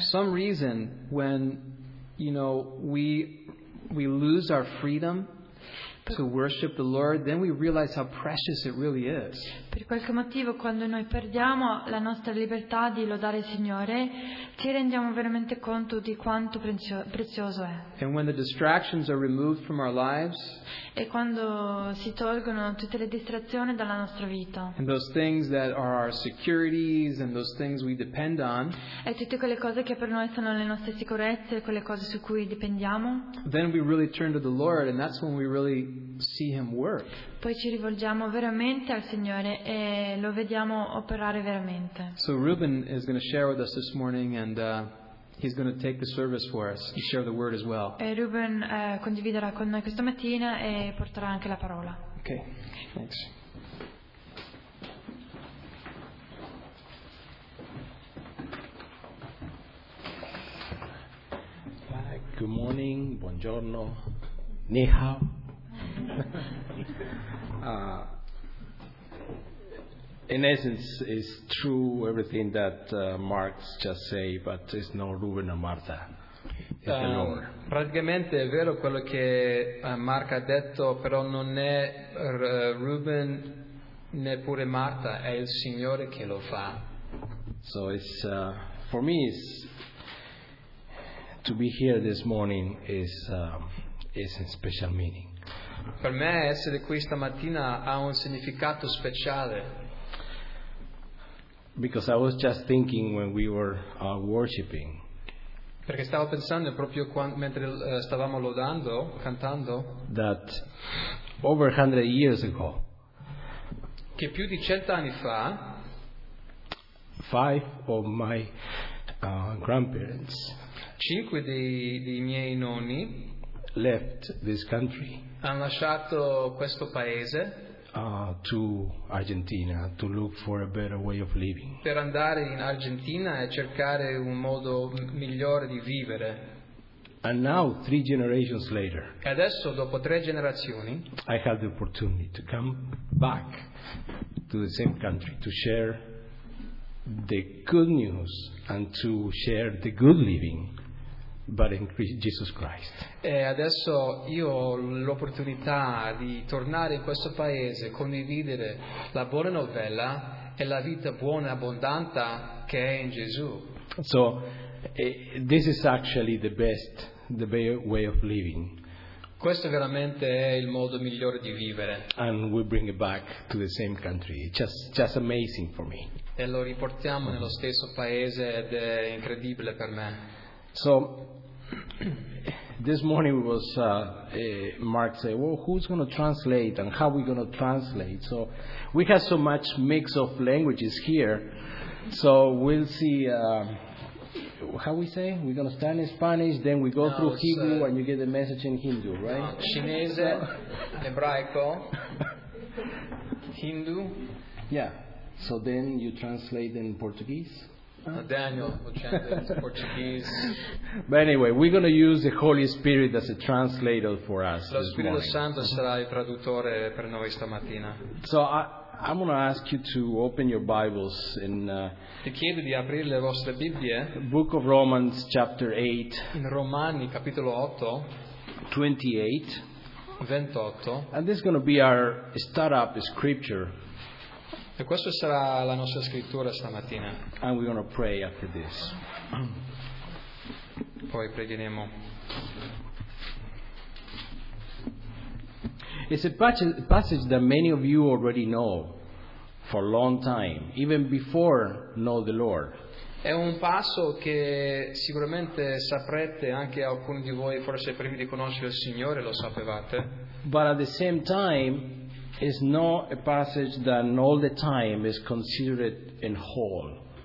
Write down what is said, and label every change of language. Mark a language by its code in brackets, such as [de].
[en] Some reason when, you know, we lose our freedom to worship the Lord, then we realize how precious it really is. [it] Per qualche motivo, quando noi perdiamo la nostra libertà di lodare il Signore, ci rendiamo veramente conto di quanto prezioso è. [en] And when the distractions are removed from our lives, [it] e quando si tolgono tutte le distrazioni dalla nostra vita, [en] and those things that are our securities and those things we depend on, [it] e tutte quelle cose che per noi sono le nostre sicurezze, quelle cose su cui dipendiamo, [en] then we really turn to the Lord, and that's when we really see him work. [it] Poi ci rivolgiamo veramente al Signore e lo vediamo operare veramente. [en] So Ruben is going to share with us this morning, and he's going to take the service for us and share the word as well. [it] E Ruben condividerà con noi questa mattina e porterà anche la parola. [en] Okay. Thanks. Good morning. [it] Buongiorno. [zh] Ni hao. [en] In essence, it's true everything that Mark just say, but it's not Ruben or Martha. It's the Lord. [it] Praticamente è vero quello che Mark ha detto, però non è Ruben neppure Martha, è il Signore che lo fa. [en] So it's for me is to be here this morning is in special meaning. [it] Per me essere qui stamattina ha un significato speciale. [en] Because I was just thinking when we were worshiping. [it] Perché stavo pensando proprio quando, mentre stavamo lodando, cantando. [en] That over 100 years ago. [it] Che più di 100 anni fa. [en] Five of my grandparents. [it] Cinque dei miei nonni. [en] Left this country. [it] Hanno lasciato questo paese. [en] To Argentina to look for a better way of living. [it] Per andare in Argentina e cercare un modo migliore di vivere. [en] And now, three generations later, [it] e adesso, dopo tre generazioni, [en] I have the opportunity to come back to the same country to share the good news and to share the good living. But in Jesus Christ. [it] E adesso io ho l'opportunità di tornare in questo paese, condividere la buona novella e la vita buona e abbondante che è in Gesù. [en] So, this is actually the best way of living. [it] Questo veramente è il modo migliore di vivere. [en] And we bring it back to the same country. Just amazing for me. [it] E lo riportiamo nello stesso paese ed è incredibile per me. [en] So. This morning was Mark said, "Well, who's going to translate and how are we going to translate?" So we have so much mix of languages here. So we'll see how we say. We're going to start in Spanish, then we go through Hebrew, and you get the message in Hindu, right? [it] Cinese, ebraico, Hindu. [en] Yeah. So then you translate in Portuguese. Daniel Portuguese. But anyway, we're going to use the Holy Spirit as a translator for us. [it] Lo Spirito Santo sarà il traduttore per noi stamattina. [en] So I'm going to ask you to open your Bibles in. [it] Ti chiedo di aprire le vostre Bibbie. [en] Book of Romans, chapter 8. [it] In Romani, capitolo 8. 28. [en] And this is going to be our startup scripture. [it] E questa sarà la nostra scrittura stamattina. [en] And we're going to pray after this. [it] Poi pregheremo. [en] It's a passage that many of you already know for a long time, even before know the Lord. [it] È un passo che sicuramente saprete anche alcuni di voi, forse prima di conoscere il Signore lo sapevate. [en] But at the same time, is not a passage that all the time is considered in whole.